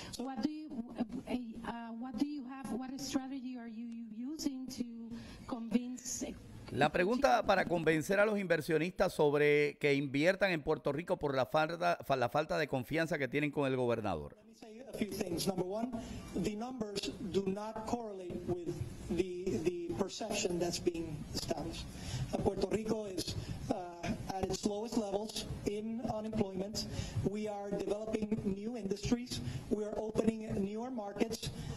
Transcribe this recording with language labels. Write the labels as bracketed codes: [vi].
[en] So what strategy are you using to convince? [es] La pregunta para convencer a los inversionistas sobre que inviertan en Puerto Rico por la falta de confianza que tienen con el gobernador. [en] Let me say a few things. Number one, the numbers do not correlate with the perception that's being established. Puerto Rico is at its lowest levels in unemployment. We are developing new industries. We are opening newer markets.